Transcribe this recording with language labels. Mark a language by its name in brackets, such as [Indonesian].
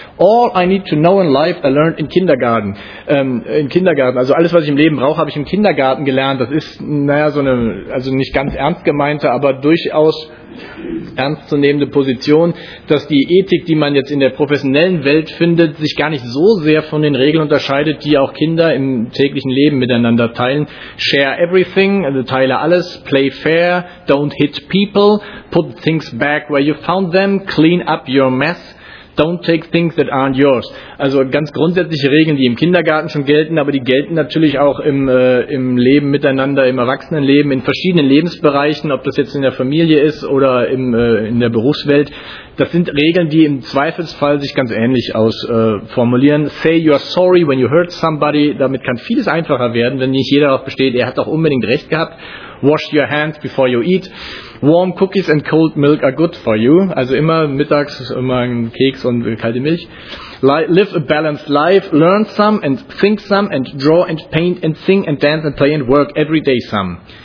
[English] All I need to know in life, I learned in Kindergarten. [German] Also alles, was ich im Leben brauche, habe ich im Kindergarten gelernt. Das ist, naja, also nicht ganz ernst gemeinte, aber durchaus ernstzunehmende Position, dass die Ethik, die man jetzt in der professionellen Welt findet, sich gar nicht so sehr von den Regeln unterscheidet, die auch Kinder im täglichen Leben miteinander teilen. [English] Share everything, [German] also teile alles, [English] play fair, don't hit people, put things back where you found them, clean up your mess, don't take things that aren't yours. [German] Also ganz grundsätzliche Regeln, die im Kindergarten schon gelten, aber die gelten natürlich auch im Leben miteinander, im Erwachsenenleben, in verschiedenen Lebensbereichen, ob das jetzt in der Familie ist oder in der Berufswelt. Das sind Regeln, die im Zweifelsfall sich ganz ähnlich ausformulieren. [English] Say you are sorry when you hurt somebody. [German] Damit kann vieles einfacher werden, wenn nicht jeder darauf besteht, er hat doch unbedingt recht gehabt. [English] Wash your hands before you eat. Warm cookies and cold milk are good for you. [German] Also immer mittags immer ein Keks und kalte Milch. [English] Live a balanced life. Learn some and think some and draw and paint and sing and dance and play and work every day some.